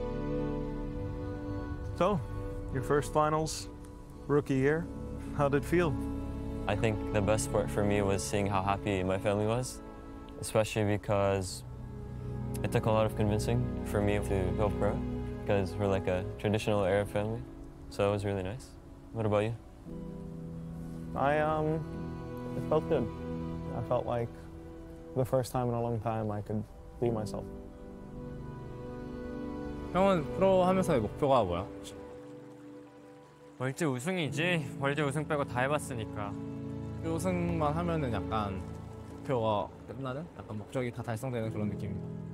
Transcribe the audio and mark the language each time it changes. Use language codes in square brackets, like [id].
[zh] 说实话，就没什么感受，因为时间过去的太久。如果今年我们能在这里再次完成这个目标的话，应该会感受比较深刻。So, [en] your first finals, rookie year, how did it feel? I think the best part for me was seeing how happy my family was, especially because it took a lot of convincing for me to go pro, because we're like a traditional Arab family, so it was really nice. What about you? I felt good. I felt like the first time in a long time I could be myself. [ko] 형은 프로 하면서의 목표가 뭐야? 월드 우승이지. 월드 우승 빼고 다 해봤으니까. 우승만 하면은 약간 목표가 끝나는? 약간 목적이 다 달성되는 그런 느낌입니다.